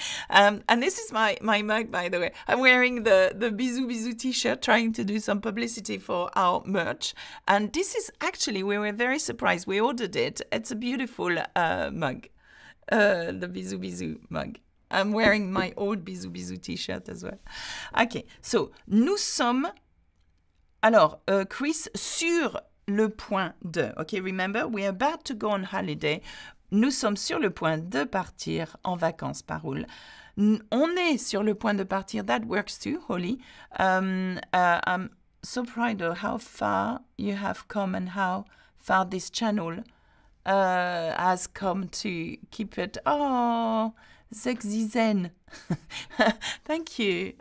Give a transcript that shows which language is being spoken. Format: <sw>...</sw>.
<en>and this is my mug, by the way. I'm wearing the Bisou Bisou t-shirt, trying to do some publicity for our merch. And this is actually, we were very surprised. We ordered it. It's a beautiful mug, the Bisou Bisou mug. I'm wearing my old Bisou Bisou t-shirt as well. Okay, so</en> <fr>nous sommes, alors, Chris, sur le point de.</fr> <en>Okay, remember, we're about to go on holiday.</en> <fr>Nous sommes sur le point de partir en vacances, Parul. On est sur le point de partir.</fr> <en>That works too, Holly. I'm so proud of how far you have come and how far this channel has come to keep it. Oh, Zexizen. Thank you.</en>